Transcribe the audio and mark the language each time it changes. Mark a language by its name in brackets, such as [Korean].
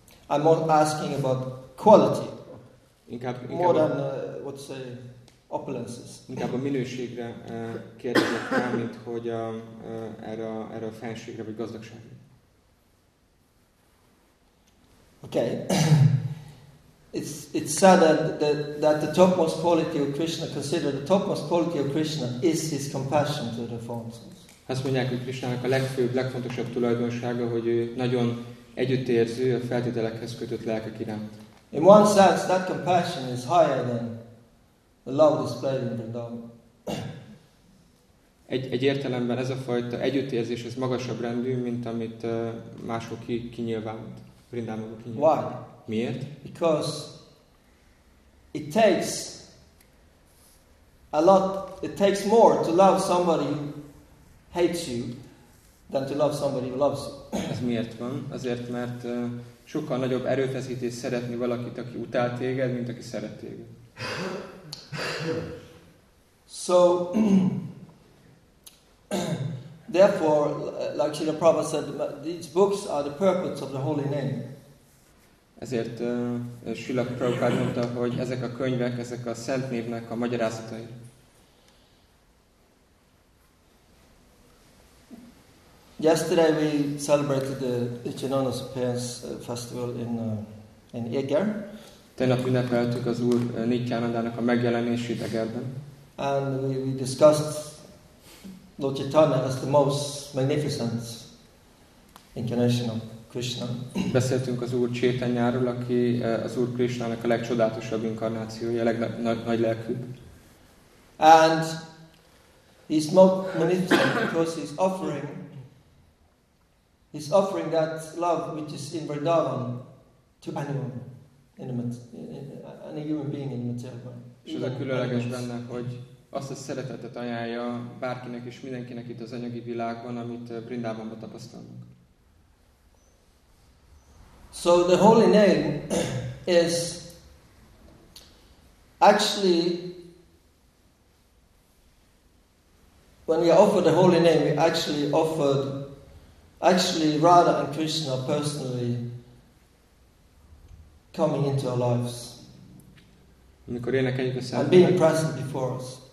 [English] I'm not asking about quality, more than what say opulences. [Hungarian] Inkább a minőségre kérdezek rá, mint hogy erre a fenségre vagy gazdagságra. [English] Okay, it's said that the topmost quality of Krishna, considered the topmost quality of Krishna, is his compassion to the forms. [Hungarian] Azt mondják, hogy Krishnának a legfőbb, legfontosabb tulajdonsága, hogy ő nagyon együttérző, a feltételekhez kötött lelkek iránt. [English] In one sense, that compassion is higher than the love displayed in Vrindavan. [Hungarian] Egy értelemben ez a fajta együttérzés, ez magasabb rendű, mint amit mások kinyilvánult, Vrindavanban kinyilvánult. [English] Why? [Hungarian] Miért? [English] Because it takes a lot, it takes more to love somebody hates you than to love somebody who loves you. [Hungarian] Ez miért van? Azért, mert sokkal nagyobb erőfeszítés szeretni valakit, aki utál téged, mint aki szeret téged. [English] So, Therefore, like Srila Prabhupada said, these books are the purports of the holy name. [Hungarian] Ezért Srila Prabhupada mondta, hogy ezek a könyvek, ezek a szent névnek a magyarázatai. [English] Yesterday we celebrated the Ichinonos Appearance Festival in Eger. [Hungarian] Tegnap ünnepeltük az Úr Nityánandának a megjelenését Egerben. [English] And we discussed Lord Chaitanya as the most magnificent incarnation of Krishna. [Hungarian] Beszéltünk az Úr Chaitanyáról, aki az Úr Krishnának a legcsodálatosabb inkarnációja, a legnagy lelkű. [English] And he's most magnificent because he's offering that love which is in Vrindavan to anyone, any human being in the material world. [Hungarian] És ez a különleges benne, hogy azt a szeretetet ajánlja bárkinek és mindenkinek itt az anyagi világban, amit Vrindavanban tapasztalunk. [English] So the holy name is actually, when we offer the holy name, we actually offered. Actually, Radha and Krishna are personally coming into our lives and being present before us.